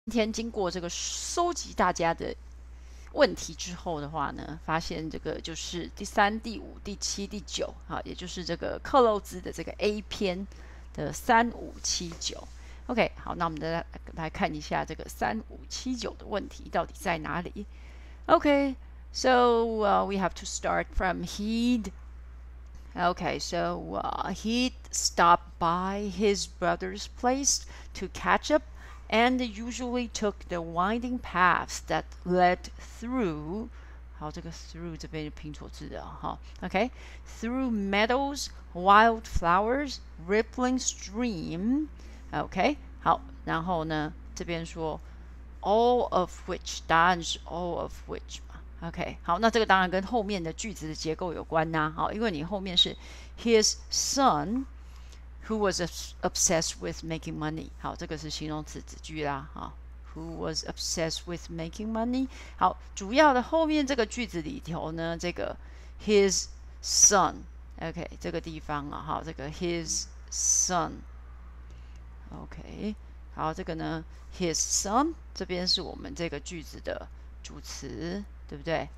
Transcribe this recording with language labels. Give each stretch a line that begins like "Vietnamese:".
Chinese: 天经过这个收集大家的问题之后的话呢，发现这个就是第三、第五、第七、第九，哈，也就是这个克洛兹的这个 A 篇的3579。 OK，好，那我们再来看一下这个3579的问题到底在哪里。
English: OK，so we have to start from heed. Okay, so he'd stopped by his brother's place to catch up and usually took the winding paths that led through,
Chinese: 好，这个 through 这边拼错字的哈。
English: Okay, through meadows, wild flowers, rippling stream.
Chinese: Okay, 好，然后呢，这边说
English: all of which,
Chinese: 答案是 all of which。 OK，好，那这个当然跟后面的句子的结构有关呐、啊。好，因为你后面是
English: his son who was obsessed with making money。
Chinese: 好，这个是形容词子句啦。哈，
English: who was obsessed with making money？
Chinese: 好，主要的后面这个句子里头呢，这个 his son。 OK，这个地方啊，哈，这个 his son。 OK，好，这个呢 his son 这边是我们这个句子的主词。对不对？